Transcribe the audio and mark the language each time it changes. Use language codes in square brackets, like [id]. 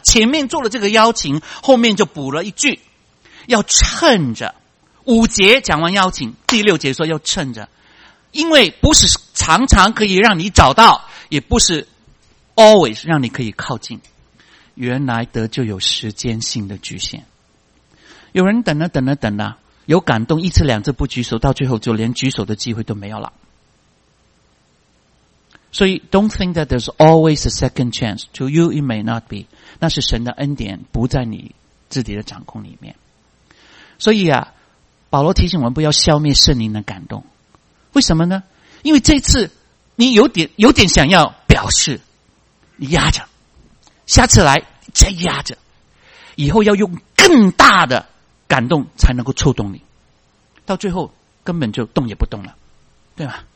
[zh] 前面做了这个邀请，后面就补了一句，要趁着，五节讲完邀请，第六节说要趁着，因为不是常常可以让你找到，也不是 always 让你可以靠近。原来得救有时间性的局限。有人等了等了等了，有感动一次两次不举手，到最后就连举手的机会都没有了。 [en] 所以 don't think that there's always a second chance to you, it may not be. [zh] 那是神的恩典不在你自己的掌控里面。所以啊，保罗提醒我们不要消灭圣灵的感动。为什么呢？因为这次你有点想要表示，你压着，下次来再压着，以后要用更大的感动才能够触动你，到最后根本就动也不动了，对吗？